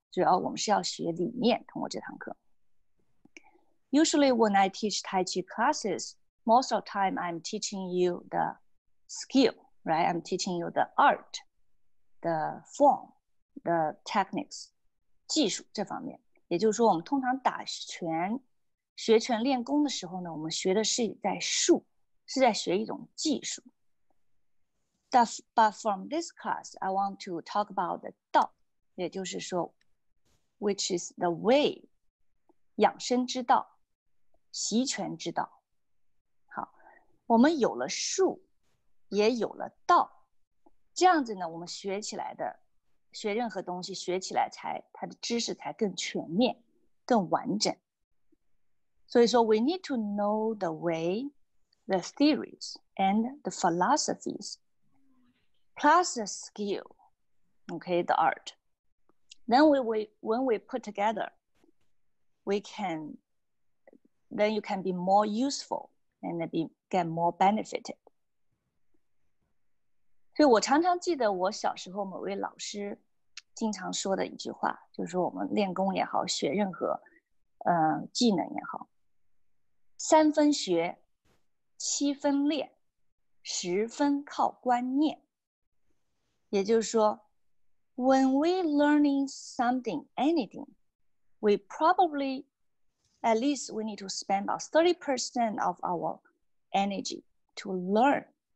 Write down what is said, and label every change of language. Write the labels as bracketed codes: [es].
[zh] 主要我们是要学理念，通过这堂课。 [en] Usually when I teach Tai Chi classes, most of the time I'm teaching you the skill, right? I'm teaching you the art, the form, the techniques, [zh] 技术这方面。也就是说我们通常打拳、学拳练功的时候呢，我们学的是在术，是在学一种技术。 [en] But from this class, I want to talk about the 道， [zh] 也就是说 [en] which is the way, [zh] 养生之道。习权之道，好，我们有了术，也有了道，这样子呢，我们学起来的，学任何东西，学起来才，它的知识才更全面，更完整。所以说， [en] we need to know the way, the theories, and the philosophies, plus the skill, okay, the art. Then when we put together, we can... Then you can be more useful and be get more benefited. [zh] 所以我常常记得我小时候某位老师经常说的一句话，就是说我们练功也好，学任何技能也好，三分学，七分练，十分靠观念。也就是说 [en] ，when we learning something, anything, we probably. At least we need to spend about 30% of our energy to learn.